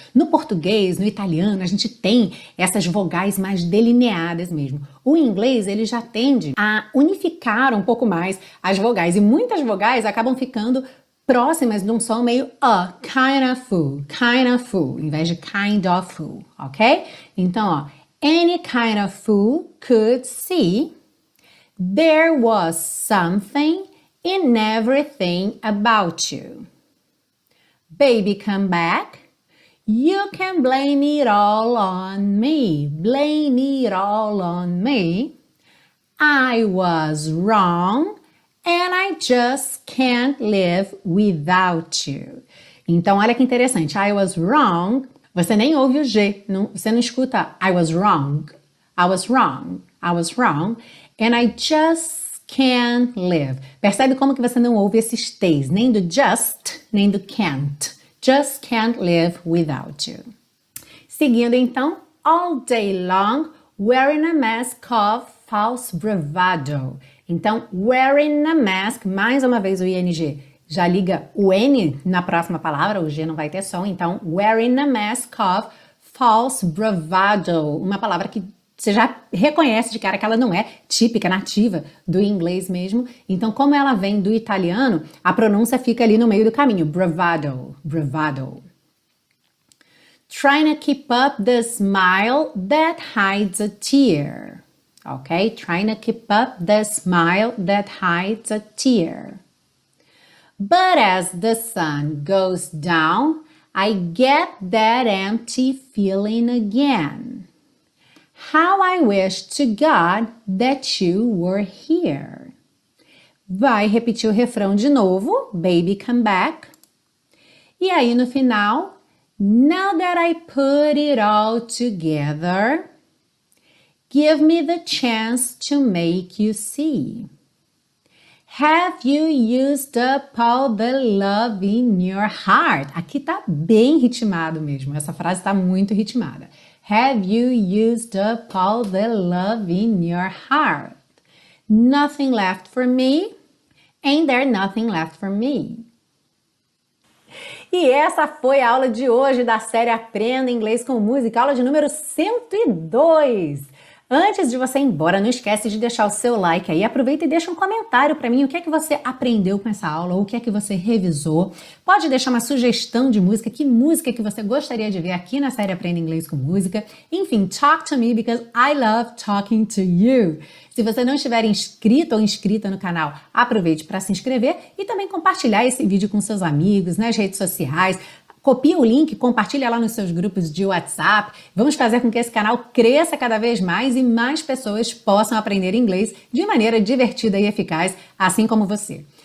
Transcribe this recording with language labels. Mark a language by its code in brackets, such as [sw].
[pt] No português, no italiano, a gente tem essas vogais mais delineadas mesmo. O inglês, ele já tende a unificar um pouco mais as vogais e muitas vogais acabam ficando próximas de um som meio a, [en] kind of fool, [pt] em vez de kind of fool, ok? Então, ó, [en] any kind of fool could see there was something in everything about you. Baby, come back. You can blame it all on me. Blame it all on me. I was wrong. And I just can't live without you. [pt] Então, olha que interessante. [en] I was wrong. [pt] Você nem ouve o G. Não, você não escuta. [en] I was wrong. I was wrong. I was wrong. And I just can't live. [pt] Percebe como que você não ouve esses T's. Nem do just, nem do can't. [en] Just can't live without you. [pt] Seguindo então. [en] All day long, wearing a mask of false bravado. [pt] Então, [en] wearing a mask, [pt] mais uma vez o ING, já liga o N na próxima palavra, o G não vai ter som. Então, [en] wearing a mask of false bravado, [pt] uma palavra que você já reconhece de cara que ela não é típica, nativa do inglês mesmo. Então, como ela vem do italiano, a pronúncia fica ali no meio do caminho, bravado, bravado. [en] Trying to keep up the smile that hides a tear. Okay, trying to keep up the smile that hides a tear. But as the sun goes down, I get that empty feeling again. How I wish to God that you were here. [pt] Vai repetir o refrão de novo, [en] baby come back. [pt] E aí no final, [en] now that I put it all together, give me the chance to make you see. Have you used up all the love in your heart? [pt] Aqui tá bem ritmado mesmo, essa frase tá muito ritmada. [en] Have you used up all the love in your heart? Nothing left for me, ain't there nothing left for me? [pt] E essa foi a aula de hoje da série Aprenda Inglês com Música, aula de número 102. Antes de você ir embora, não esquece de deixar o seu like aí, aproveita e deixa um comentário para mim, o que é que você aprendeu com essa aula, ou o que é que você revisou. Pode deixar uma sugestão de música que você gostaria de ver aqui na série Aprenda Inglês com Música. Enfim, [en] talk to me, because I love talking to you. [pt] Se você não estiver inscrito ou inscrita no canal, aproveite para se inscrever e também compartilhar esse vídeo com seus amigos, nas redes sociais. Copia o link, compartilha lá nos seus grupos de WhatsApp. Vamos fazer com que esse canal cresça cada vez mais e mais pessoas possam aprender inglês de maneira divertida e eficaz, assim como você.